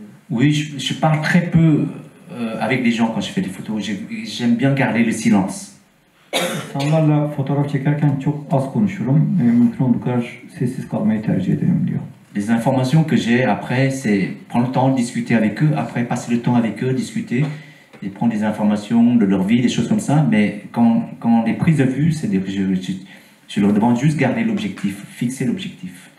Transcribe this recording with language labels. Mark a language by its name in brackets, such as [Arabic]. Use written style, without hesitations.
[French] Oui, je parle très peu avec les gens quand je fais des photos. J'aime bien garder le silence. [Turkish] İnsanlarla fotoğraf çekerken çok az konuşurum. Mümkün olduğu kadar sessiz kalmayı tercih ederim diyor. [French] Les informations que j'ai après, c'est prendre le temps de discuter avec eux, après passer le temps avec eux, discuter. Et prendre des informations de leur vie, des choses comme ça. Mais quand les prises de vue, c'est des... Je leur demande juste garder l'objectif, fixer l'objectif.